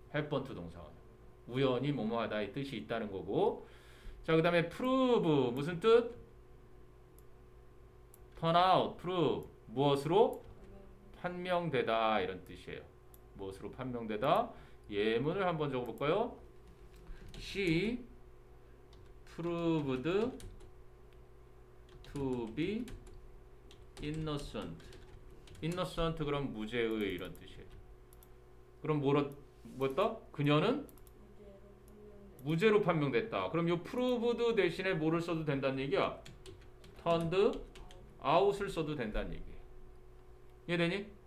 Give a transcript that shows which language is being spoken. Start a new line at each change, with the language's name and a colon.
Korean: happen to 동사 원형. 우연히 뭐뭐하다의 뜻이 있다는 거고. 자, 그 다음에 prove 무슨 뜻?
English: turn out, prove 무엇으로?
Korean: 판명되다 이런 뜻이에요. 무엇으로 판명되다? 예문을 한번 적어볼까요?
English: She proved to be innocent.
Korean: innocent 그럼 무죄의 이런 뜻이에요. 그럼 뭐였다? 그녀는? 무죄로 판명됐다. 그럼 요 proved 대신에 뭐를 써도 된다는 얘기야? turned out 을 써도 된다는 얘기예요. 이해되니?